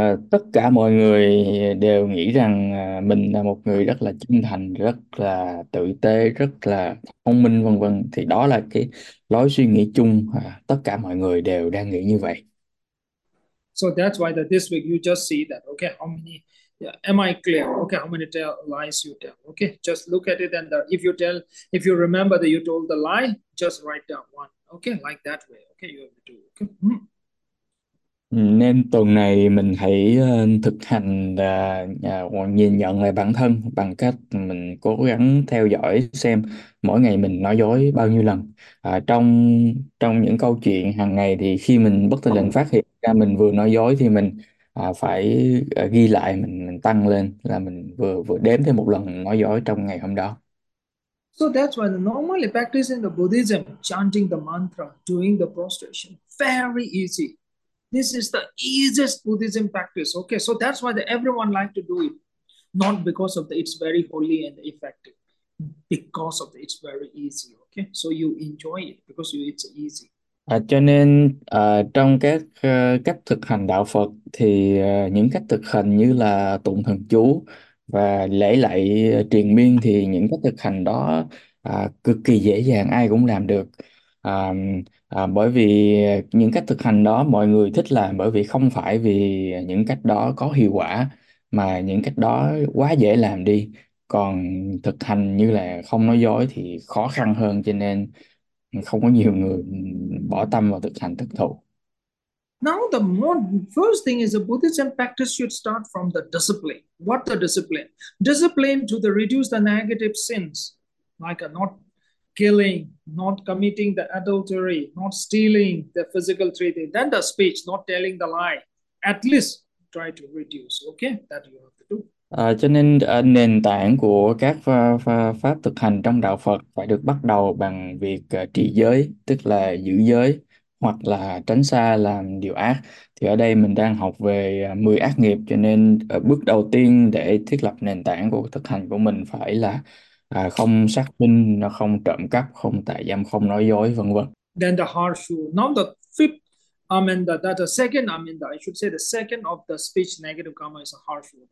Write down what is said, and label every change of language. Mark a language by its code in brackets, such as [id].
[vi] Tất cả mọi người đều nghĩ rằng mình là một người rất là chân thành, rất là tử tế, rất là thông minh, vân vân. Thì đó là cái lối suy nghĩ chung, tất cả mọi người đều đang nghĩ như vậy. [en] So that's why that this week you just see that, okay, how many am I clear? Okay, how many lies you tell? Okay, just look at it and if you remember that you told the lie, just write down one. Okay, like that way. Okay, you have to do. Okay. [vi] Nên tuần này mình hãy thực hành nhìn nhận lại bản thân bằng cách mình cố gắng theo dõi xem mỗi ngày mình nói dối bao nhiêu lần. Trong trong những câu chuyện hàng ngày thì khi mình bất thình lình phát hiện ra mình vừa nói dối thì mình phải ghi lại, mình tăng lên là mình vừa vừa đếm thêm một lần nói dối trong ngày hôm đó. [en] So that's why normally practicing the Buddhism, chanting the mantra, doing the prostration, very easy. This is the easiest Buddhism practice. Okay, so that's why everyone like to do it. Not because of it's very holy and effective, because of it's very easy. Okay, so you enjoy it because it's easy. [vi] Cho nên trong các cách thực hành đạo Phật thì những cách thực hành như là tụng thần chú và lễ lạy triền miên thì những cách thực hành đó cực kỳ dễ dàng, ai cũng làm được. Bởi vì những cách thực hành đó mọi người thích làm bởi vì không phải vì những cách đó có hiệu quả mà những cách đó quá dễ làm đi. Còn thực hành như là không nói dối thì khó khăn hơn, cho nên không có nhiều người bỏ tâm vào thực hành thực thụ. [en] Now the first thing is the Buddhism practice should start from the discipline. What the discipline? Discipline to the reduce the negative sins, like not killing, not committing the adultery, not stealing the physical treaty, then the speech, not telling the lie. At least try to reduce, okay? That you have to do. [vi] Cho nên nền tảng của các pháp thực hành trong đạo Phật phải được bắt đầu bằng việc trì giới, tức là giữ giới hoặc là tránh xa làm điều ác. Thì ở đây mình đang học về 10 ác nghiệp, cho nên bước đầu tiên để thiết lập nền tảng của thực hành của mình phải là không sát sinh, không trộm cắp, không tà dâm, không nói dối, vân vân. [en] Then the harsh rule. Now the fifth amendment, that the second amendment, I should say the second of the speech negative karma is a harsh rule.